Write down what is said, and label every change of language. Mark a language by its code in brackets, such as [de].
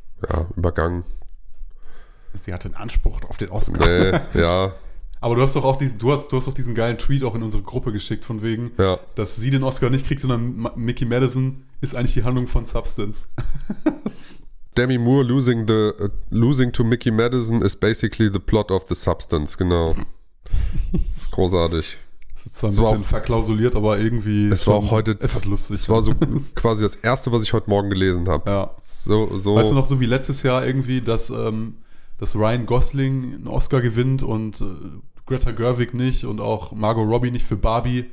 [de] Ja, übergangen. Sie hatte einen Anspruch auf den Oscar. Nee, ja. Aber du hast doch diesen geilen Tweet auch in unsere Gruppe geschickt von wegen, ja. dass sie den Oscar nicht kriegt, sondern Mickey Madison ist eigentlich die Handlung von Substance. [en] Demi Moore losing to Mickey Madison is basically the plot of the Substance, [de] genau. Das ist großartig. Es ist zwar ein bisschen auch, verklausuliert, aber irgendwie... Es war auch heute... Es ist lustig. Es war so quasi das Erste, was ich heute Morgen gelesen habe. Ja. So. Weißt du noch, so wie letztes Jahr irgendwie, dass Ryan Gosling einen Oscar gewinnt und Greta Gerwig nicht und auch Margot Robbie nicht für Barbie,